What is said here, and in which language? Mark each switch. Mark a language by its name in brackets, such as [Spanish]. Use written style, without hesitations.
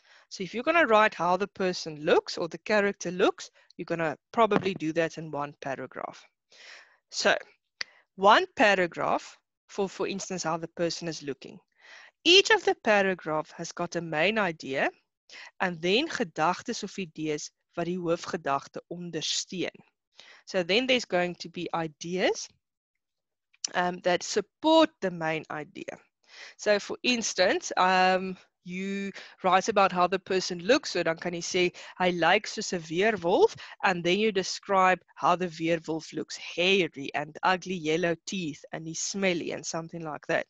[English] So if you're going to write how the person looks or the character looks, you're going to probably do that in one paragraph. So, one paragraph for instance, how the person is looking. Each of the paragraphs has got a main idea. And then [Afrikaans] gedagtes of ideas wat die hoofgedagte ondersteun. [English] So then there's going to be ideas that support the main idea. So for instance, you write about how the person looks, so [Afrikaans] dan kan jy sê hy lyk soos 'n weerwolf, [English] and then you describe how the weerwolf looks, hairy and ugly yellow teeth and he's smelly and something like that.